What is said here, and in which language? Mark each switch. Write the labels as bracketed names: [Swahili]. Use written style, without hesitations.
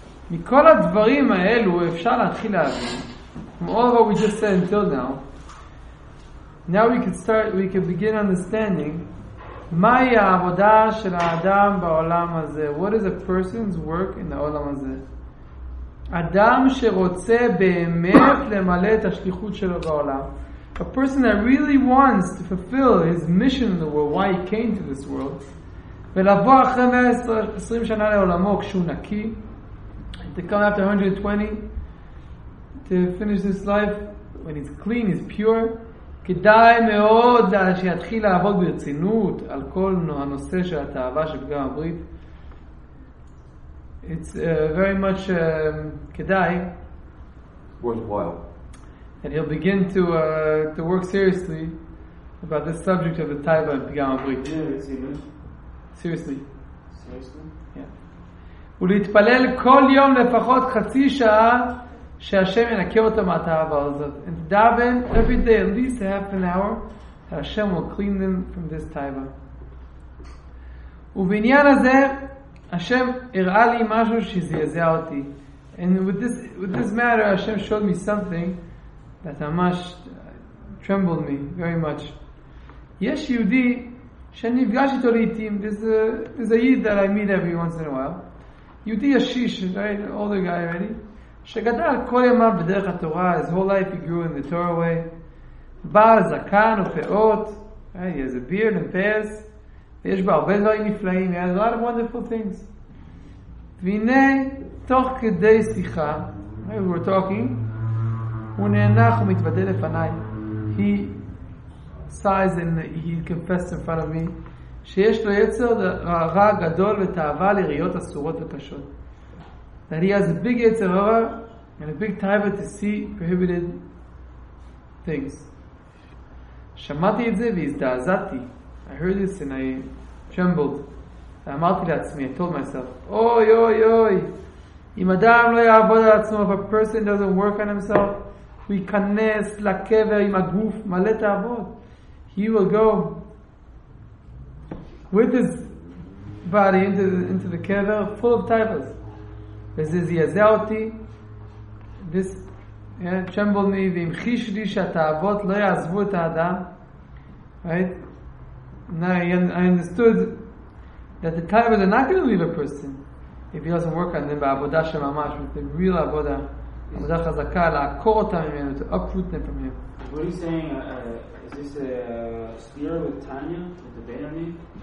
[Hebrew] מכל הדברים האלו אפשר להתחיל להבין. [English] From all what we just said until now, now we can start, we can begin understanding [Hebrew] מהי העבודה של האדם בעולם הזה. [English] What is a person's work in the עולם הזה? [Hebrew] אדם שרוצה באמת למלא את השליחות שלו בעולם. [English] A person that really wants to fulfill his mission in the world, why he came to this world, [Hebrew] ולבוא אחרי 120 שנה לעולמו כשהוא נקי, [English] to come after 120, to finish this life when he's clean, he's pure, [Hebrew] כדאי מאוד שיתחיל לעבוד ברצינות על כל הנושא של התאווה של פגם הברית. [English] It's very much כדאי. Worthwhile. And he'll begin to work seriously about this subject of the taiva and pigam abrit. Seriously. [Hebrew] ולהתפלל כל יום לפחות חצי שעה שהשם ינקה אותו מהתאווה הזאת. [English] And daven every day at least a half an hour that Hashem will clean them from this taiva. [Hebrew] ובעניין הזה Hashem הראה לי משהו שזעזע אותי. [English] And with this matter Hashem showed me something that ממש trembled me very much. [Hebrew] יש יהודי שאני נפגש איתו לעתים, [English] there's a yid that I meet every once in a while. [Hebrew] יהודי ישיש, right? [English] Older guy already. [Hebrew] שגדל כל ימיו בדרך התורה, [English] his whole life he grew in the Torah way. [Hebrew] בעל זקן ופאות, [English] right? He has a beard and pears. [Hebrew] ויש בה הרבה דברים נפלאים, [English] he has a lot of wonderful things. [Hebrew] והנה, תוך כדי שיחה, right? [English] We're talking, [Hebrew] הוא נאנח ומתוודה לפניי. [English] He sighs and he confessed in front of me [Hebrew] שיש לו יצר רע גדול ותאווה לראיות אסורות וקשות. [English] That he has a big יצר רע and a big taiva to see prohibited things. [Hebrew] שמעתי את זה והזדעזעתי. [English] I heard this and I trembled. [Hebrew] ואמרתי לעצמי, [English] I told myself, [Hebrew] אוי אוי אוי, אם אדם לא יעבוד על עצמו, [English] if a person doesn't work on himself, [Hebrew] הוא ייכנס לקבר עם הגוף מלא תאוות. [English] He will go with his body into the קבר full of tavos. [Hebrew] וזה זעזע אותי. [English] This trembled me [Hebrew] והמחיש לי שהתאוות לא יעזבו את האדם. [English] Right? I understood that the tavos are not going to leave a person if he doesn't work on them [Hebrew] בעבודה של ממש, [English] with the real עבודה. [Hebrew] עבודה חזקה, לעקור אותה ממנו, [English] to uproot them from him. What are you saying? Is this a sphere with Tanya, with the Beinoni?